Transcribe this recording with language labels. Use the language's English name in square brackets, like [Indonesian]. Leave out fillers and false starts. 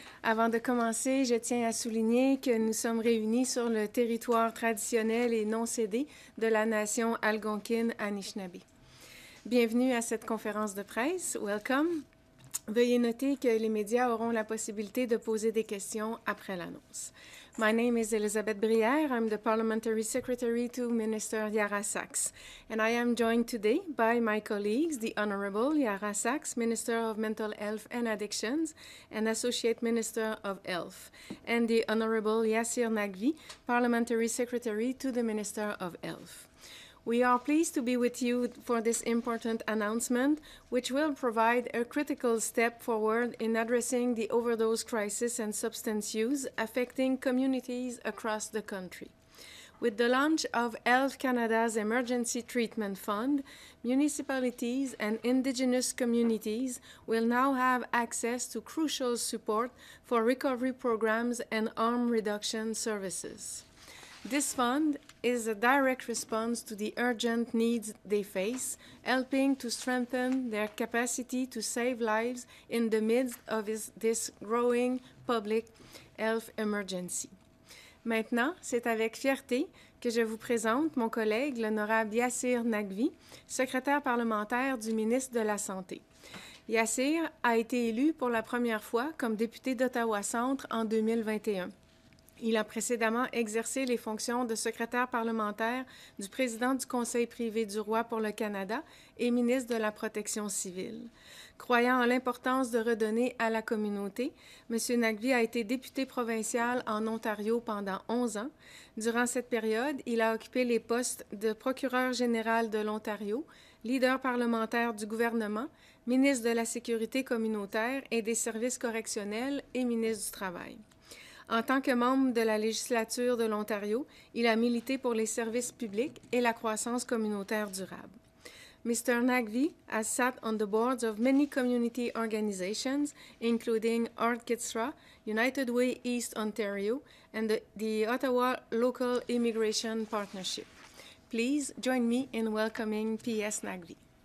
[French] Avant de commencer, je tiens à souligner que nous sommes réunis sur le territoire traditionnel et non cédé de la nation algonquine Anishinaabe. Bienvenue à cette conférence de presse. Welcome. Veuillez noter que les médias auront la possibilité de poser des questions après l'annonce. [English] My name is Elizabeth Briere. I'm the Parliamentary Secretary to Minister Yaara, and I am joined today by my colleagues, the Honorable Yaara, Minister of Mental Health and Addictions and Associate Minister of Health, and the Honorable Yasir Naghvi, Parliamentary Secretary to the Minister of Health. We are pleased to be with you for this important announcement, which will provide a critical step forward in addressing the overdose crisis and substance use affecting communities across the country. With the launch of Health Canada's Emergency Treatment Fund, municipalities and Indigenous communities will now have access to crucial support for recovery programs and harm reduction services. This fund is a direct response to the urgent needs they face, helping to strengthen their capacity to save lives in the midst of this growing public health emergency. [French] Maintenant, c'est avec fierté que je vous présente mon collègue, l'honorable Yasir Naghvi, secrétaire parlementaire du ministre de la Santé. Yasir a été élu pour la première fois comme député d'Ottawa-Centre en 2021. Il a précédemment exercé les fonctions de secrétaire parlementaire du président du Conseil privé du roi pour le Canada et ministre de la Protection civile. Croyant en l'importance de redonner à la communauté, M. Naghvi a été député provincial en Ontario pendant 11 ans. Durant cette période, il a occupé les postes de procureur général de l'Ontario, leader parlementaire du gouvernement, ministre de la Sécurité communautaire et des services correctionnels et ministre du Travail. En tant que membre de la législature de l'Ontario, il a milité pour les services publics et la croissance communautaire durable. [English] Mr. Naghvi has sat on the boards of many community organizations, including Art Kitsra, United Way East Ontario, and the Ottawa Local Immigration Partnership. Please join me in welcoming P.S. Naghvi.